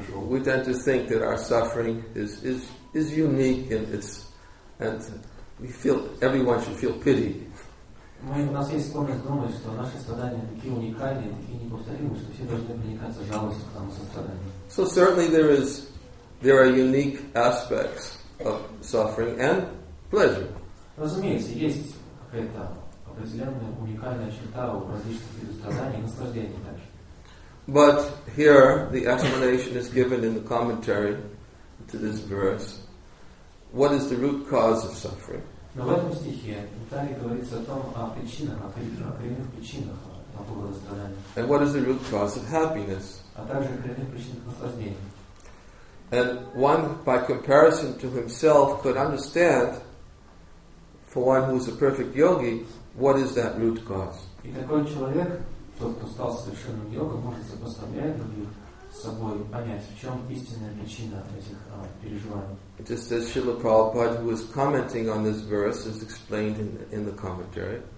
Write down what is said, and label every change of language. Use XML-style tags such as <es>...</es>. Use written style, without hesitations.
<en>We tend to think that our suffering is unique, and it's, and we feel everyone should feel pity. So certainly there are unique aspects of suffering and pleasure.</en> <ru>Разумеется, есть какая-то определенная уникальная черта у различных видов страданий и наслаждений также.</ru> <en>But here the explanation is given in the commentary to this verse. What is the root cause of suffering?</en> <ru>Но в этом стихе в Италии говорится о том, о причинах, о коренных причинах такого страдания.</ru> <en>And what is the root cause of happiness?</en> <ru>А также о коренных причинах наслаждений.</ru> <en>And one, by comparison to himself, could understand, for one who is a perfect yogi, what is that root cause?</en> <ru>И такой человек, тот, кто стал совершенным йогом, может сопоставлять других с собой, понять, в чем истинная причина этих переживаний.</ru> <en>Just as Srila Prabhupada, who is commenting on this verse, is explained in the commentary.</en>